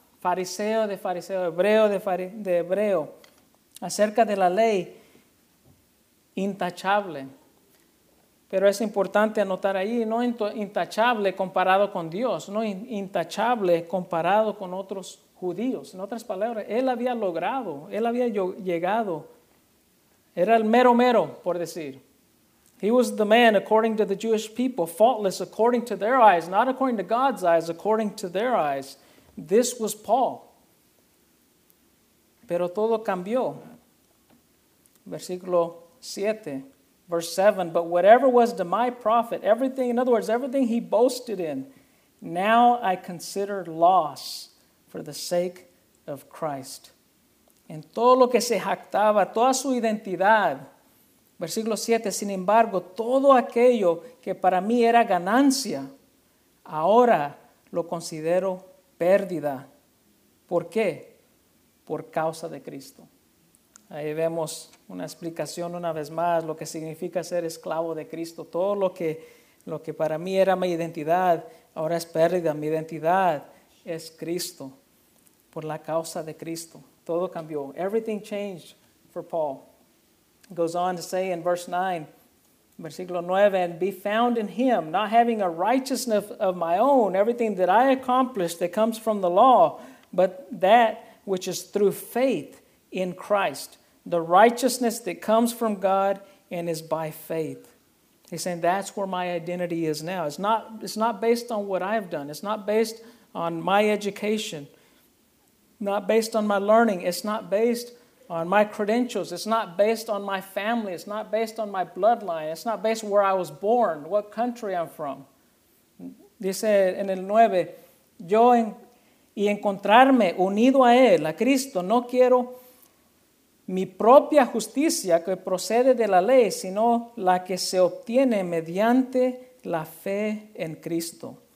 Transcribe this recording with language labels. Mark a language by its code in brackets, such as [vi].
[es] Fariseo de fariseo, hebreo de hebreo. Acerca de la ley, intachable. Pero es importante anotar ahí, no intachable comparado con Dios, no intachable comparado con otros judíos. En otras palabras, él había logrado, él había llegado. Era el mero mero, por decir. [en] He was the man according to the Jewish people, faultless according to their eyes, not according to God's eyes, according to their eyes. This was Paul. [es] Pero todo cambió. [en] Versículo 7, verse 7, but whatever was to my profit, everything, in other words, everything he boasted in, now I consider loss for the sake of Christ. [es] En todo lo que se jactaba, toda su identidad, versículo 7, sin embargo, todo aquello que para mí era ganancia, ahora lo considero pérdida. ¿Por qué? Por causa de Cristo. Ahí vemos una explicación una vez más, lo que significa ser esclavo de Cristo. Todo lo que para mí era mi identidad, ahora es pérdida. Mi identidad es Cristo, por la causa de Cristo. Todo cambió. [en] Everything changed for Paul. Goes on to say in verse 9, versículo 9, and be found in him, not having a righteousness of my own, everything that I accomplished that comes from the law, but that which is through faith in Christ, the righteousness that comes from God and is by faith. He's saying that's where my identity is now. It's not based on what I've done. It's not based on my education. Not based on my learning. It's not based on my credentials. It's not based on my family. It's not based on my bloodline. It's not based where I was born, what country I'm from. [es] Dice en el 9, yo en, y encontrarme unido a él, a Cristo, no quiero mi propia justicia que procede de la ley, sino la que se obtiene mediante la fe en Cristo.